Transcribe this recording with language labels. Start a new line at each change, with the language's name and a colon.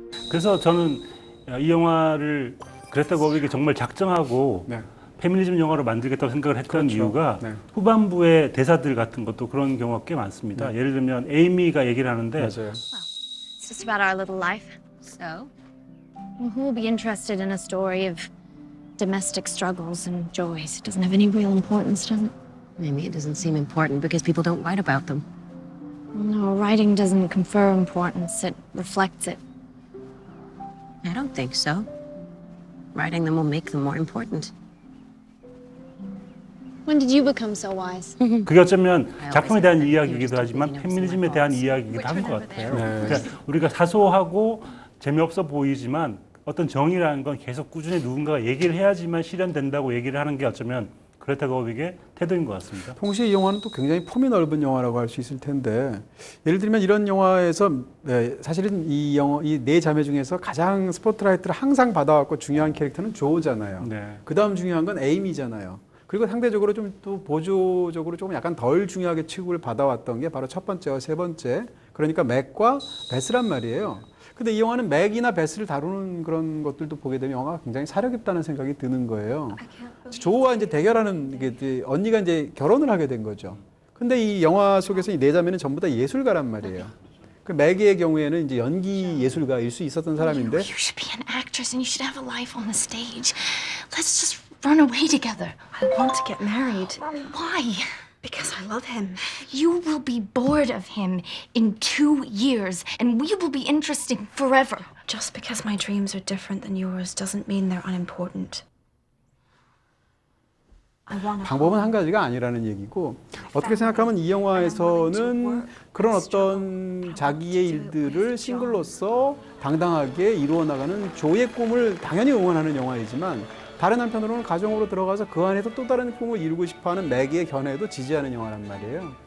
Korean: 그래서 저는 이 영화를 그레타 거윅이 정말 작정하고 네. 페미니즘 영화로 만들겠다고 생각을 했던 그렇죠. 이유가 네. 후반부의 대사들 같은 것도 그런 경우가 꽤 많습니다. 네. 예를 들면 에이미가 얘기를 하는데 맞아요.
English: It's just about our little life. So, who will be interested in a story of domestic struggles and joys? It doesn't have any real importance, does it? Maybe it doesn't seem important because people don't write about them. No, writing doesn't confer importance. It reflects it. I don't think so. Writing them will make them more important. When did you become so wise?
Korean: 그게 어쩌면 작품에 대한 이야기이기도 하지만 페미니즘에 대한 이야기이기도 한 것 같아요. 네. 그러니까 우리가 사소하고 재미없어 보이지만 어떤 정의라는 건 계속 꾸준히 누군가가 얘기를 해야지만 실현된다고 얘기를 하는 게 어쩌면 그레타 거윅의 태도인 것 같습니다. 동시에 이 영화는 또 굉장히 품이 넓은 영화라고 할 수 있을 텐데 예를 들면 이런 영화에서 네, 사실은 이 영화 이 네 자매 중에서 가장 스포트라이트를 항상 받아왔고 중요한 캐릭터는 조잖아요. 네. 그다음 중요한 건 에이미잖아요. 그리고 상대적으로 좀 또 보조적으로 조금 약간 덜 중요하게 취급을 받아왔던 게 바로 첫 번째와 세 번째 그러니까 맥과 베스란 말이에요. 근데 이 영화는 맥이나 베스를 다루는 그런 것들도 보게 되면 영화가 굉장히 사려깊다는 생각이 드는 거예요. 조와 이제 대결하는 게 언니가 이제 결혼을 하게 된 거죠. 근데 이 영화 속에서 이 네 자매는 전부 다 예술가란 말이에요. 그 맥의 경우에는 이제 연기 예술가일 수 있었던 사람인데
English: You should be an actress and you should have a life on the stage. Let's just run away together. I want to get married. Why? Because I love him. You will be bored of him in 2 years, and we will be interesting forever. Just because my dreams are different than yours doesn't mean they're unimportant. I want.
Korean: 방법은 한 가지가 아니라는 얘기고 어떻게 생각하면 이 영화에서는 그런 어떤 자기의 일들을 싱글로서 당당하게 이루어 나가는 조의 꿈을 당연히 응원하는 영화이지만. 다른 한편으로는 가정으로 들어가서 그 안에서 또 다른 꿈을 이루고 싶어하는 맥의 견해도 지지하는 영화란 말이에요.